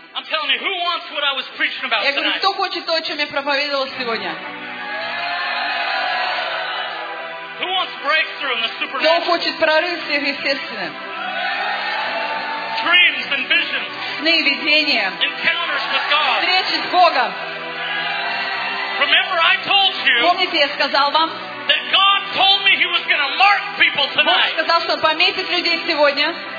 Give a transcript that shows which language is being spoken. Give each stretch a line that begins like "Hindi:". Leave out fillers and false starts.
English: I'm telling you, who wants what I was preaching about tonight?
Russian: Я говорю, кто хочет то, о чем я проповедовал сегодня?
English: Who wants breakthrough in the supernatural?
Russian: Кто хочет прорыв в сверхъестественном?
English: Dreams and visions.
Russian: Сны и видения.
English: Encounters with God.
Russian: Встречи с Богом.
English: Remember, I told you.
Russian: Помните, я сказал вам.
English: That God told me He was going to mark people tonight.
Russian: Бог сказал, что пометит людей сегодня.